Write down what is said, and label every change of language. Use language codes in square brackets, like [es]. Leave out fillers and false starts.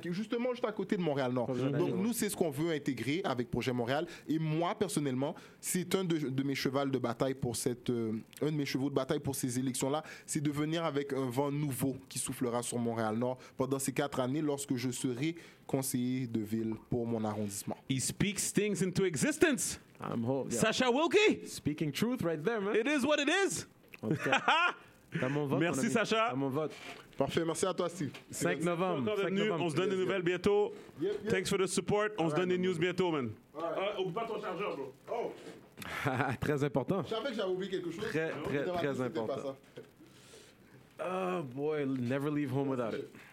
[fr] Juste à côté de Montréal-Nord. Donc nous, c'est ce qu'on veut intégrer avec Projet Montréal. Et moi, personnellement, c'est un de mes chevaux de bataille pour un de mes chevaux de bataille pour ces élections-là, c'est de venir avec un vent nouveau qui soufflera sur Montréal-Nord pendant ces 4 années lorsque je serai conseiller de ville pour mon arrondissement. [en] He speaks things into existence. I'm whole. Yeah. Sacha Wilkie. Speaking truth right there, man. It is what it is. [fr] Okay. T'as mon vote. Merci, Sacha. T'as mon vote. Parfait, merci à toi, Steve. 5 novembre. On se donne des nouvelles bientôt. [en] Yep, yep. Thanks for the support. [fr] On se donne des news bientôt, man. Oublie pas ton chargeur, bro. Oh. Très important. Je savais que j'avais oublié quelque chose. Très important. [en] Oh boy, never leave home without it.